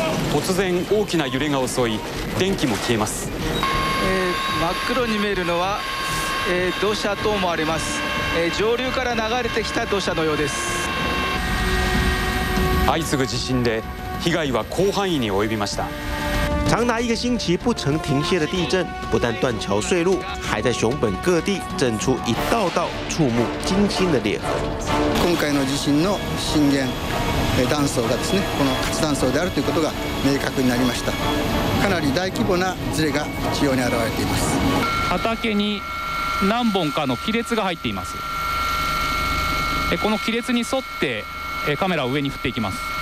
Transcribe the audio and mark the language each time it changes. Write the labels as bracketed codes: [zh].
[ja] 突然大きな揺れが襲い、電気も消えます。真っ黒に見えるのは、土砂と思われます。上流から流れてきた土砂のようです。相次ぐ地震で被害は広範囲に及びました。 [zh] 长达一个星期不曾停歇的地震，不但断桥碎路，还在熊本各地震出一道道触目惊心的裂痕。 [ja] 今回の地震の震源断層がですね、この活断層であるということが明確になりました。かなり大規模なズレが地表に現れています。畑に何本かの亀裂が入っています。この亀裂に沿ってカメラを上に振っていきます。